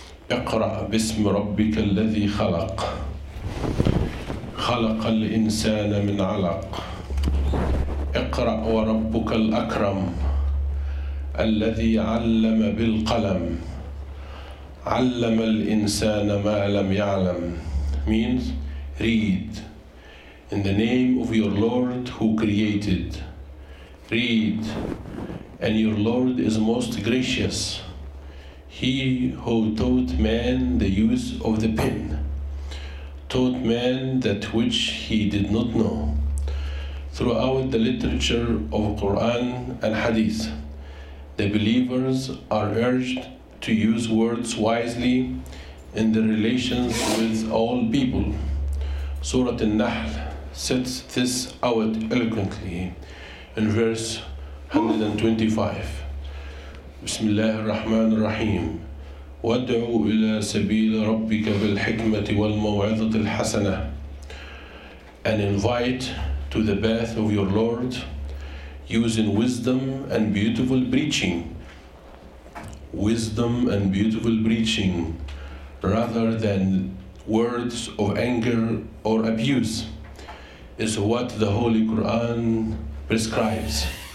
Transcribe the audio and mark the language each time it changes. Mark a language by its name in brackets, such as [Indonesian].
[Arabic] اقرأ باسم ربك الذي خلق خلق الإنسان من علق اقرأ وربك الأكرم الذي علم بالقلم علم الإنسان ما لم يعلم. [English] Means read. In the name of your Lord who created, read. And your Lord is most gracious, He who taught man the use of the pen, taught man that which he did not know. Throughout the literature of Quran and Hadith, the believers are urged to use words wisely in their relations with all people. Surah An-Nahl sets this out eloquently in verse 125. [Arabic] بسم الله الرحمن الرحيم وادعوا إلى سبيل ربك بالحكمة والموعظة الحسنة. [English] And invite to the path of your Lord using wisdom and beautiful preaching. Wisdom and beautiful preaching rather than words of anger or abuse is what the Holy Quran prescribes.